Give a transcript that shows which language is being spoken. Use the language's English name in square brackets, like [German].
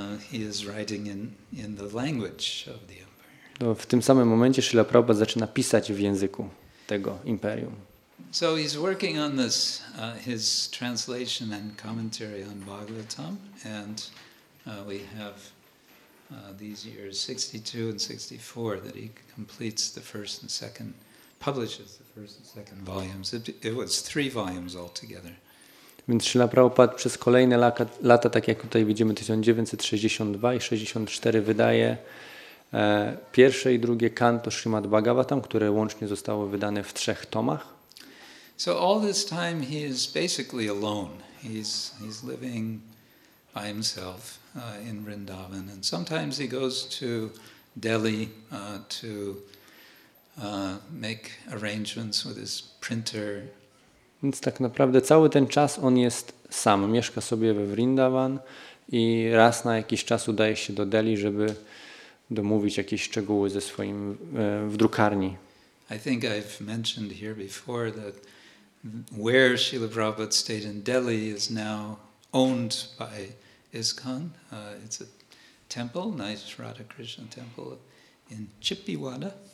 [English] He is writing in the language of the empire. [Polish] To w tym samym momencie Śrīla Prabhupāda zaczyna pisać w języku tego imperium. [English] So he's working on this, his translation and commentary on Bhagavatam, and we have these years 62 and 64 that he completes the first and second, publishes the first and second volumes. It was three volumes altogether. [Polish] Więc Śrīla Prabhupāda przez kolejne lata, tak jak tutaj widzimy, 1962 i 64, wydaje pierwsze i drugie kanto Śrīmad Bhagavatam, które łącznie zostało wydane w trzech tomach. [English] So all this time he is basically alone. He's living by himself in Vrindavan, and sometimes he goes to Delhi to make arrangements with his printer. [Polish] Więc tak naprawdę cały ten czas on jest sam, mieszka sobie we Vrindavan i raz na jakiś czas udaje się do Delhi, żeby domówić jakieś szczegóły ze swoim w drukarni. [English] I think I've mentioned here before that where Srila Prabhupada stayed in Delhi is now owned by ISKCON. It's a temple, nice Radha Krishna temple in Chippewada.